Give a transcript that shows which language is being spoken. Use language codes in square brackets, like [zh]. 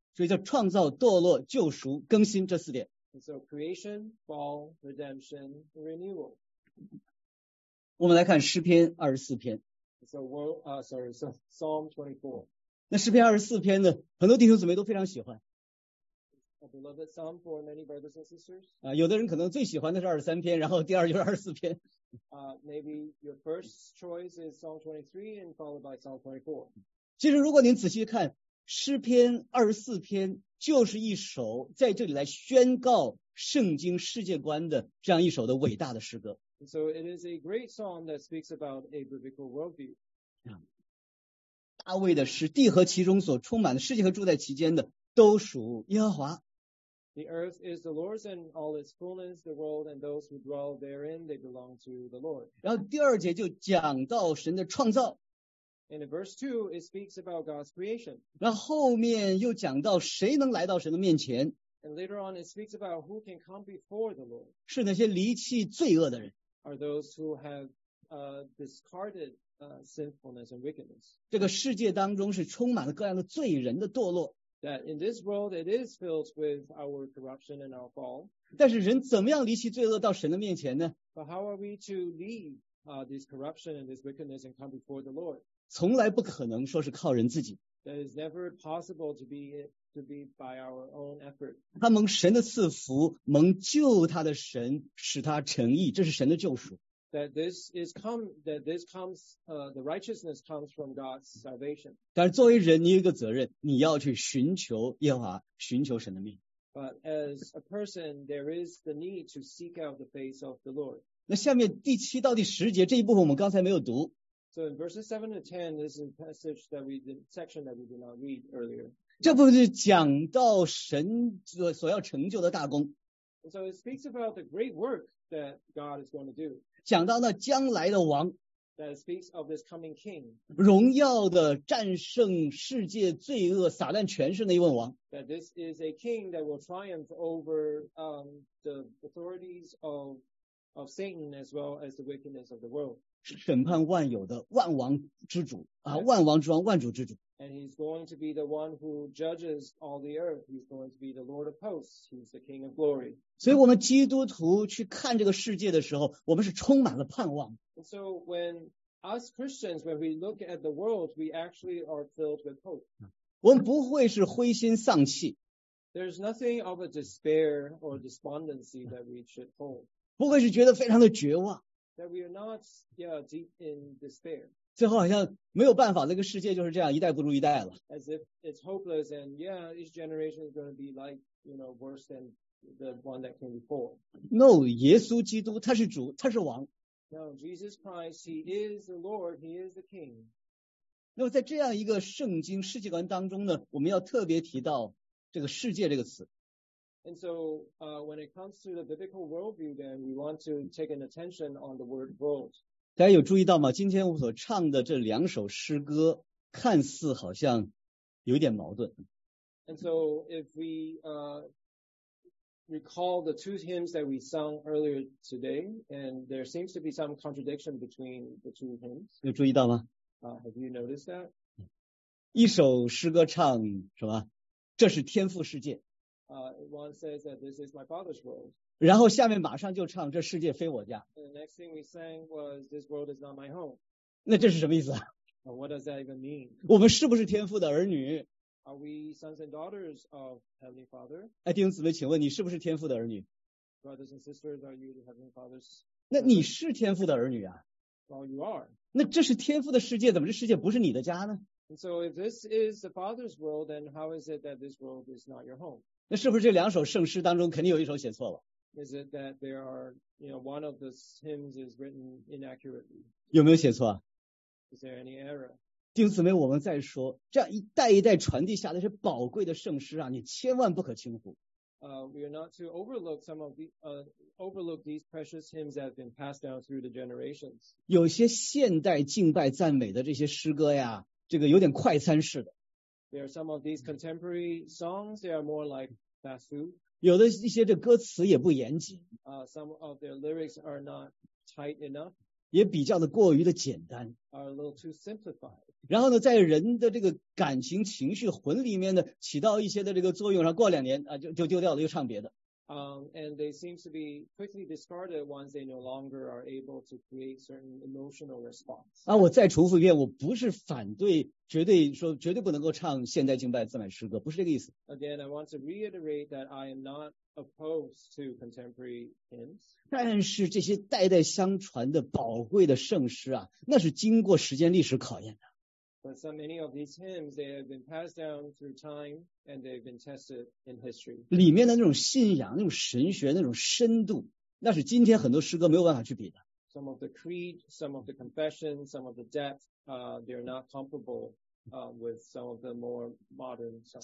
[zh] 所以叫创造、堕落、救赎、更新这四点。 [en] And so creation, fall, redemption, renewal. [zh] 我们来看诗篇二十四篇。 [en] So Psalm 24. [zh] 那诗篇二十四篇呢，很多弟兄姊妹都非常喜欢。 [en] A beloved psalm for many brothers and sisters. [zh] 有的人可能最喜欢的是二十三篇，然后第二就是二十四篇。 [en] Maybe your first choice is Psalm 23 and followed by Psalm 24. [zh] 其实如果您仔细看诗篇二十四篇就是一首在这里来宣告圣经世界观的这样一首的伟大的诗歌。 [en] So it is a great psalm that speaks about a biblical worldview. [zh] 大卫的诗，地和其中所充满的，世界和住在其间的，都属耶和华。 [en] The earth is the Lord's and all its fullness, the world and those who dwell therein, they belong to the Lord. [zh] 然后第二节就讲到神的创造。 [en] And in verse 2, it speaks about God's creation. [zh] 然后后面又讲到谁能来到神的面前。 [en] And later on, it speaks about who can come before the Lord. [zh] 是那些离弃罪恶的人。 [en] Are those who have discarded sinfulness and wickedness. [zh] 这个世界当中是充满了各样的罪人的堕落。 [en] That in this world, it is filled with our corruption and our fall. [zh] 但是人怎么样离弃罪恶到神的面前呢？ [en] But how are we to leave this corruption and this wickedness and come before the Lord? [zh] 从来不可能说是靠人自己。 [en] That is never possible to be by our own effort. [zh] 他蒙神的赐福，蒙救他的神，使他成义，这是神的救赎。 [en] The righteousness comes from God's salvation. [zh] 但作为人，你有一个责任，你要去寻求耶和华，寻求神的面。 [en] But as a person, there is the need to seek out the face of the Lord. [zh] 那下面第七到第十节这一部分我们刚才没有读。 [en] So in verses 7 to 10, this is a passage that we did, section that we did not read earlier. [zh] 这部分是讲到神所要成就的大功。 [en] And so it speaks about the great work that God is going to do. [zh] 讲到那将来的王。 [en] That speaks of this coming king. [zh] 荣耀的战胜世界罪恶撒旦权势的一位王。 [en] That this is a king that will triumph over the authorities of Satan as well as the wickedness of the world. [zh] 审判万有的万王之主啊，万王之王，万主之主。 [en] And he's going to be the one who judges all the earth. He's going to be the Lord of hosts. He's the King of glory. [zh] 所以我们基督徒去看这个世界的时候，我们是充满了盼望。 [en] And so when us Christians, when we look at the world, we actually are filled with hope. [zh] 我们不会是灰心丧气。 [en] There's nothing of a despair or despondency that we should hold. [zh] 不会是觉得非常的绝望。 [en] That we are not, yeah, deep in despair. [zh] 最后好像没有办法，那个世界就是这样，一代不如一代了。 [en] As if it's hopeless, and yeah, each generation is going to be like, you know, worse than the one that came before. [zh] No, 耶稣基督他是主，他是王。 [en] No, Jesus Christ, He is the Lord, He is the King. [zh] 那么在这样一个圣经世界观当中呢，我们要特别提到这个世界这个词。 [en] And so, when it comes to the biblical worldview, then we want to take an attention on the word world. [zh] 大家有注意到吗？今天我所唱的这两首诗歌看似好像有点矛盾。 [en] And so, if we recall the two hymns that we sung earlier today, and there seems to be some contradiction between the two hymns. [zh] 有注意到吗？ [en] Have you noticed that? [zh] 一首诗歌唱什么？这是天父世界。 [en] One says that this is my father's world. [zh] 然后下面马上就唱这世界非我家。 [en] The next thing we sang was this world is not my home. [zh] 那这是什么意思啊？ [en] What does that even mean? [zh] 我们是不是天父的儿女？ [en] Are we sons and daughters of Heavenly Father? [zh] 哎，弟兄姊妹，请问你是不是天父的儿女？ [en] Brothers and sisters, are you the Heavenly Father's? [zh] 那你是天父的儿女啊？ [en] Well, you are. [zh] 那这是天父的世界，怎么这世界不是你的家呢？ [en] And so if this is the Father's world, then how is it that this world is not your home? [zh] 那是不是这两首圣诗当中肯定有一首写错了？ [en] Is it that there are, you know, one of the hymns is written inaccurately? [zh] 有没有写错啊？ [en] Is there any error? [zh] 弟兄姊妹，我们再说，这样一代一代传递下来是宝贵的圣诗啊，你千万不可轻忽。 [en] We are not to overlook some of the, overlook these precious hymns that have been passed down through the generations. [zh] 有些现代敬拜赞美的这些诗歌呀，这个有点快餐式的。 [en] There are some of these contemporary songs, they are more like fast food. [zh] 有的一些这歌词也不严谨。 [en] Some of their lyrics are not tight enough. [zh] 也比较的过于的简单。 [en] Are a little too simplified. [zh] 然后呢，在人的这个感情情绪魂里面呢，起到一些的这个作用，然后过两年啊，就丢掉了，又唱别的。 [en] And they seem to be quickly discarded once they no longer are able to create certain emotional response. [zh] 啊，我再重复一遍，我不是反对，绝对说绝对不能够唱现代敬拜赞美诗歌，不是这个意思。 [en] Again, I want to reiterate that I am not opposed to contemporary hymns. [zh] 但是这些代代相传的宝贵的圣诗啊，那是经过时间历史考验的。 [en] But so many of these hymns, they have been passed down through time and they've been tested in history. [zh] 里面的那种信仰、那种神学、那种深度，那是今天很多诗歌没有办法去比的。 [en] Some of the creed, some of the confession, some of the depth, they're not comparable, with some of the more modern songs.